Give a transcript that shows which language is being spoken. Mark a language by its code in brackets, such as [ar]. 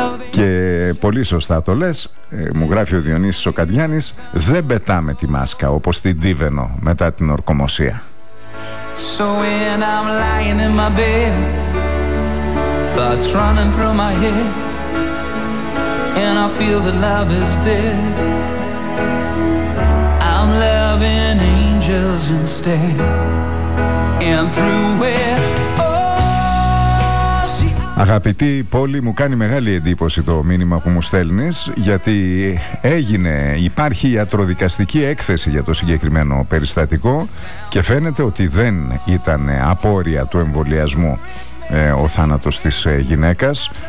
[el] Και πολύ σωστά το λες, μου γράφει ο Διονύσης ο Καντιάνης, δεν πετάμε τη μάσκα όπως την Τίβενο μετά την ορκομοσία. [en] So when I'm lying in my bed, thoughts running through my head, and I feel that love is dead. I'm loving angels instead. And through it. [el] Αγαπητή πόλη, μου κάνει μεγάλη εντύπωση το μήνυμα που μου στέλνεις, γιατί υπάρχει ιατροδικαστική έκθεση για το συγκεκριμένο περιστατικό και φαίνεται ότι δεν ήταν απόρρια του εμβολιασμού ο θάνατος της γυναίκας.